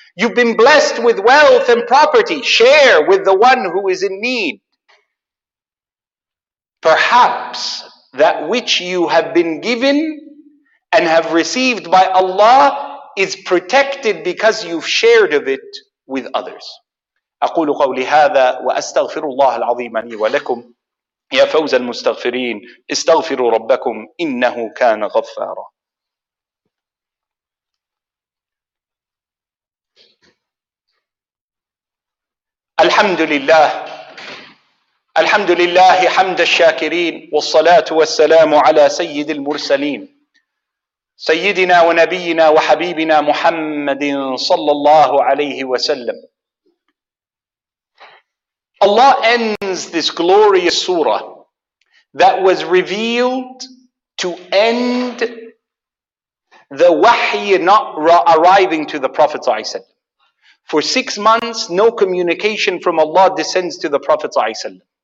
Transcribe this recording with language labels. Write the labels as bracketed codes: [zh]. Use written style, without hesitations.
[en] You've been blessed with wealth and property, share with the one who is in need. Perhaps that which you have been given and have received by Allah is protected because you've shared of it with others. [ar] أقول قولي هذا وأستغفر الله العظيم لي ولكم يا فوز المستغفرين استغفروا ربكم إنه كان غفارا. الحمد لله الحمد لله حمد الشاكرين والصلاة والسلام على سيد المرسلين سيدنا ونبينا وحبيبنا محمد صلى الله عليه وسلم. [en] Allah ends this glorious surah that was revealed to end the wahy not arriving to the Prophet [ar] صلى الله عليه وسلم. [en] For 6 months, no communication from Allah descends to the Prophet [ar] صلى الله عليه وسلم.